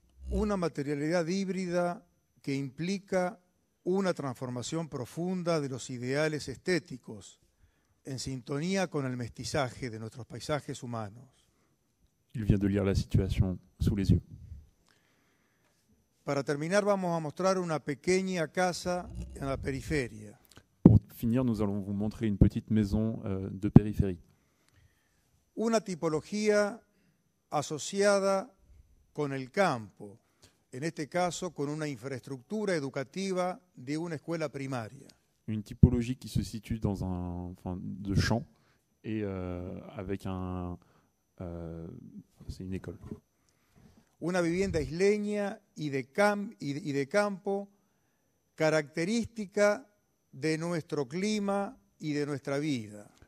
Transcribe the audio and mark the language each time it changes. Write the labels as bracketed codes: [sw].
[es] Una materialidad híbrida que implica una transformación profunda de los ideales estéticos en sintonía con el mestizaje de nuestros paisajes humanos. [fr] Il vient de lire la situation sous les yeux. [es] Para terminar, vamos a mostrar una pequeña casa en la periferia. [fr] Pour finir, nous allons vous montrer une petite maison de périphérie. [es] Una tipología asociada con el campo. En este caso, con una infraestructura educativa de una escuela primaria. [fr] Une typologie qui se situe dans un enfin de champ et avec un c'est une école. [es] Una vivienda isleña y de campo característica de nuestro clima y de nuestra vida.